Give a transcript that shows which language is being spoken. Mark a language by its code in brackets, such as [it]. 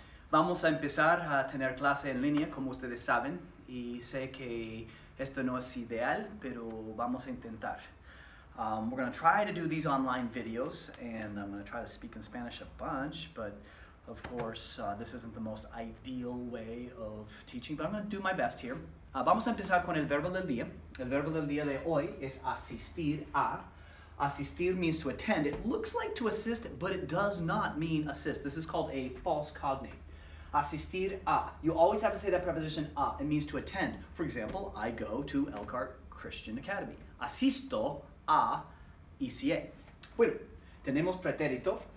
[es] Vamos a empezar a tener clase en línea, como ustedes saben, y sé que esto no es ideal, pero vamos a intentar. [en] We're going to try to do these online videos, and I'm going to try to speak in Spanish a bunch, but of course, this isn't the most ideal way of teaching, but I'm going to do my best here. [es] Vamos a empezar con el verbo del día. El verbo del día de hoy es asistir a. [en] Asistir means to attend. It looks like to assist, but it does not mean assist. This is called a false cognate. Asistir a. You always have to say that preposition a. It means to attend. For example, I go to Elkhart Christian Academy. [es] Asisto a ECA. Bueno, tenemos pretérito.